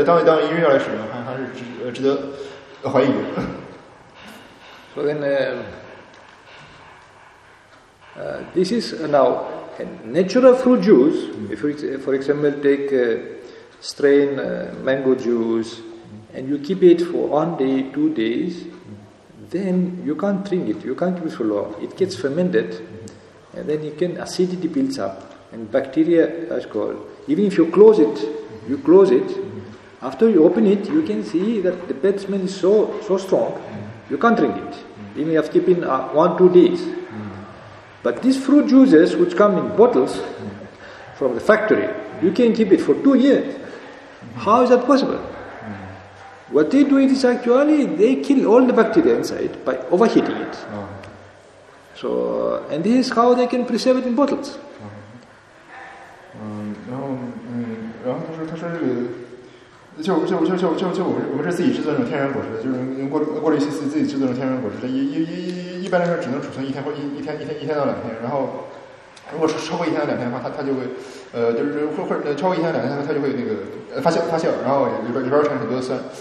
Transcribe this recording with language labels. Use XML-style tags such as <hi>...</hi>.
<zh>当一日药来使用，还是值得怀疑。</zh> <en>So then, this is now natural fruit juice. If you, for example, take strain mango juice, and you keep it for 1 day, 2 days. Then you can't drink it, you can't keep it for long. It gets fermented, and then you can, acidity builds up, and bacteria, that's called, even if you close it, after you open it, you can see that the bad smell is so strong, you can't drink it, even if you keep it 1-2 days. But these fruit juices, which come in bottles from the factory, you can keep it for 2 years. How is that possible? What they do is actually they kill all the bacteria inside by overheating it. So, and this is how they can preserve it in bottles.</en> <zh>然后他说这个，就我们这自己制作那种天然果汁，就是用过滤器自己制作那种天然果汁，一般来说只能储存一天或一天到两天，然后。如果是超过一天到两天的话，它就会，就是或者超过一天到两天，它就会那个发酵，然后里边产生很多酸。</zh>